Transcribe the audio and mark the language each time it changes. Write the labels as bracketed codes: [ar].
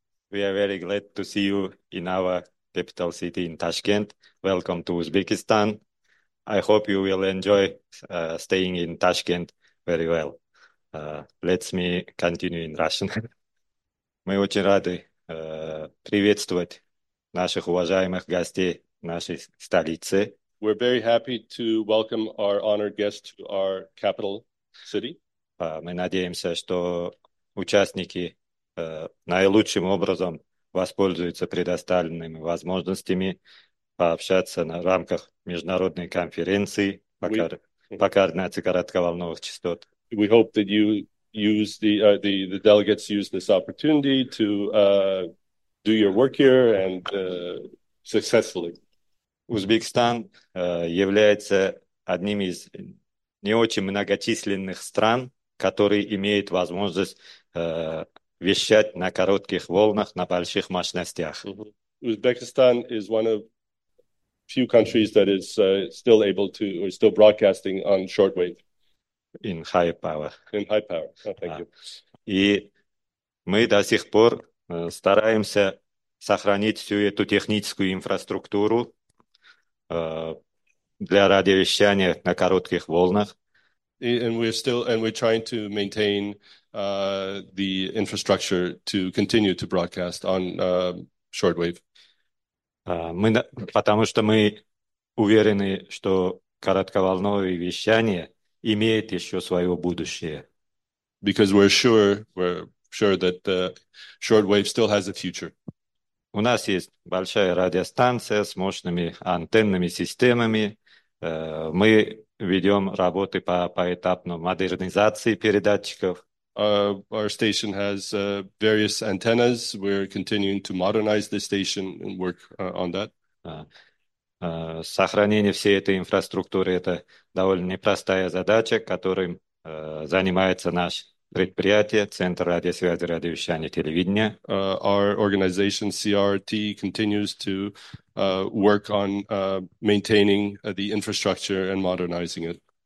[en] We are very glad to see you in our capital city in Tashkent. Welcome to Uzbekistan. I hope you will enjoy staying in Tashkent very well. Let me continue in Russian. [ru] Мы очень рады приветствовать наших уважаемых гостей нашей столицы. [en] We're very happy to welcome our honored guest to our capital city. [ru] Мы надеемся, что участники наилучшим образом воспользуются предоставленными возможностями пообщаться на рамках международной конференции по координации коротковолновых частот. [en] We hope that you use the delegates use this opportunity to do your work here and successfully. [ru] Узбекистан является одним из не очень многочисленных стран, которые имеют возможность вещать на коротких волнах на больших мощностях. [en] Узбекистан is one of few countries that is still able to or still broadcasting on shortwave. In high power. Oh, thank you. [ru] И мы до сих пор стараемся сохранить всю эту техническую инфраструктуру для радиовещания на коротких волнах. [en] And we're trying to maintain the infrastructure to continue to broadcast on shortwave. [ru] Потому что мы уверены, что коротковолновое вещание имеет еще свое будущее. [en] Because we're sure that shortwave still has a future. [ru] У нас есть большая радиостанция с мощными антенными системами. Мы ведем работы по поэтапной модернизации передатчиков. [en] Our station has various antennas. We're continuing to modernize the station and work on that. [ru] Сохранение всей этой инфраструктуры — это довольно непростая задача, которой занимается наш предприятие, Центр радиосвязи, радиовещания, телевидения. [en] Our organization, CRRT, continues to work on maintaining the infrastructure and modernizing it.